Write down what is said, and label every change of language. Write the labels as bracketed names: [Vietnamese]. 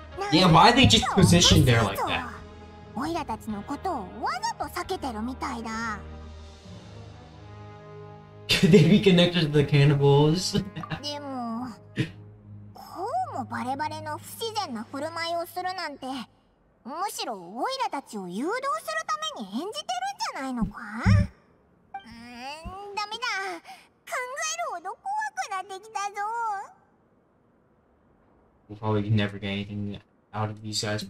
[English] Yeah, why are they just positioned there like that? [Japanese] オイラたちのことをわざと避けてるみたいだ。 [English] Could they be connected to the cannibals? [Japanese] でも、こうもバレバレの不自然な振る舞いをするなんて。むしろオイラたちを誘導するために演じてるんじゃないのか。ダメだ。考えるほど怖くなってきたぞ。 [English] We'll probably never get anything out of these guys.